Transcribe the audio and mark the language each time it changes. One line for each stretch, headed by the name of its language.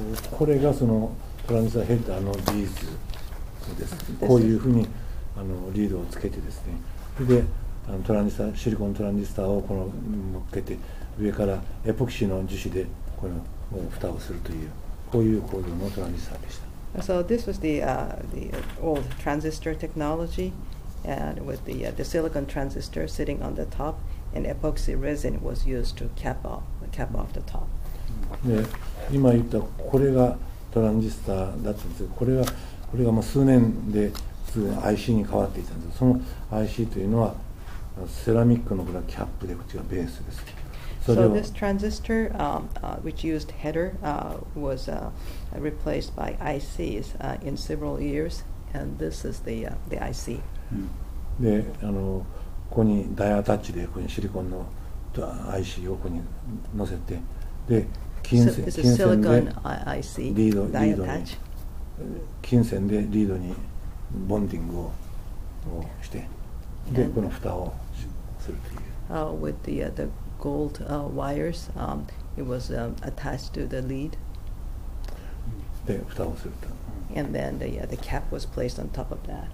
Japanese: これがそのトランジスタヘッダーのビーズです。こういうふうにリードをつけてですね。で、トランジスタ、シリコントランジスタをこの向けて上からエポキシの樹脂でこの蓋をするというこういう構造のトランジスタでした。
English: So this was the old transistor technology, and with the silicon transistor sitting on the top, and epoxy resin was used to cap off the top.
Japanese: で、今言ったこれがトランジスタだったんですけど、これがもう数年で数年 IC に変わっていたんです。その IC というのはセラミックのこれはキャップで、こっちがベースです。
English: So this transistor, which used header, was replaced by ICs in several years, and this is the IC.
Japanese: で、ここにダイアタッチでここにシリコンの IC をここに載せて、で、金線でリードに、金線でリードにボンディングをして、で、この蓋をするという。
English: With the gold wires, it was attached to the lead.
Japanese: で、蓋をすると。
English: And then the cap was placed on top of that.